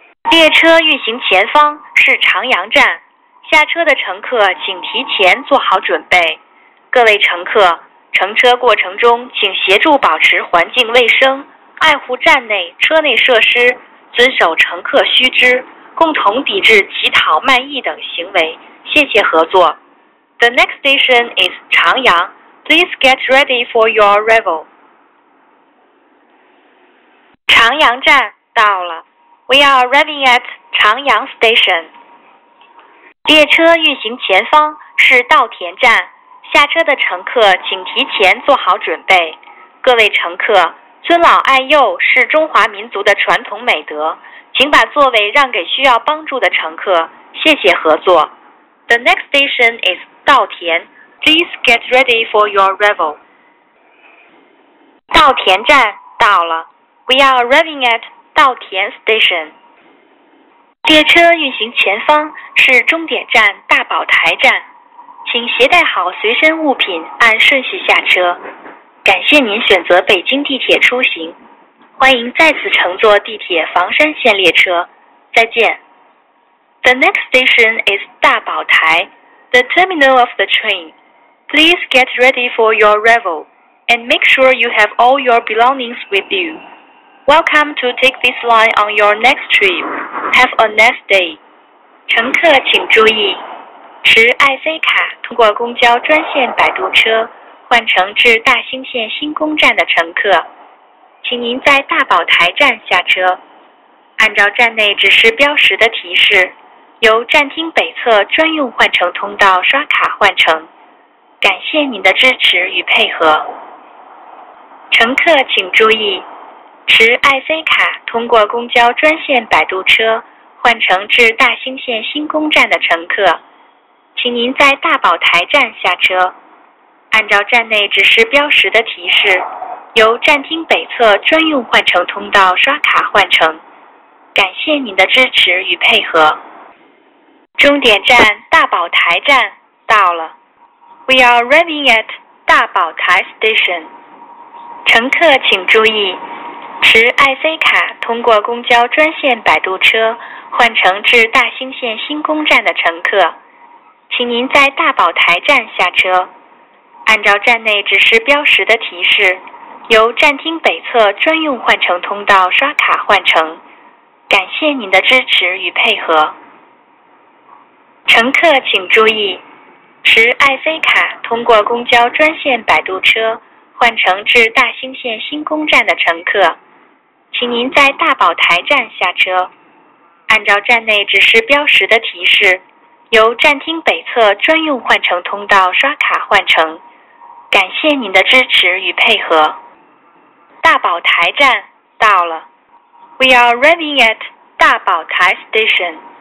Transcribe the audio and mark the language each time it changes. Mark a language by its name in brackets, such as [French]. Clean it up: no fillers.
[Chinese] 列车运行前方是长阳站，下车的乘客请提前做好准备。各位乘客，乘车过程中请协助保持环境卫生，爱护站内车内设施，遵守乘客须知，共同抵制乞讨卖艺等行为，谢谢合作。 [English] The next station is 长阳。 Please get ready for your arrival. [Chinese] 长阳站到了。 [English] We are arriving at 长阳 station. [Chinese] 列车运行前方是稻田站，下车的乘客请提前做好准备。各位乘客，尊老爱幼是中华民族的传统美德，请把座位让给需要帮助的乘客，谢谢合作。 [English] The next station is 稻田。 Please get ready for your arrival. [Chinese] 稻田站到了。 [English] We are arriving at 稻田 station. [Chinese] 列车运行前方是终点站大宝台站，请携带好随身物品，按顺序下车。感谢您选择北京地铁出行，欢迎再次乘坐地铁房山线列车。再见。 [English] The next station is 大宝台, the terminal of the train. Please get ready for your arrival and make sure you have all your belongings with you. Welcome to take this line on your next trip.Have a nice day. 乘客请注意， [Chinese] 持 IC 卡通过公交专线摆渡车换乘至大兴县新宫站的乘客，请您在大宝台站下车，按照站内指示标识的提示，由站厅北侧专用换乘通道刷卡换乘。感谢您的支持与配合。乘客请注意，持 IC 卡通过公交专线摆渡车换乘至大兴县新宫站的乘客，请您在大宝台站下车，按照站内指示标识的提示，由站厅北侧专用换乘通道刷卡换乘。感谢您的支持与配合。终点站大宝台站到了。 [English] We are arriving at 大宝台 station. [Chinese] 乘客请注意，持 IC 卡通过公交专线摆渡车换乘至大兴县新宫站的乘客，请您在大宝台站下车，按照站内指示标识的提示，由站厅北侧专用换乘通道刷卡换乘。感谢您的支持与配合。乘客请注意，持 IC 卡通过公交专线摆渡车换乘至大兴县新宫站的乘客，请您在大宝台站下车，按照站内指示标识的提示，由站厅北侧专用换乘通道刷卡换乘。感谢您的支持与配合。 [English] 大宝台站到了。 We are arriving at 大宝台 station.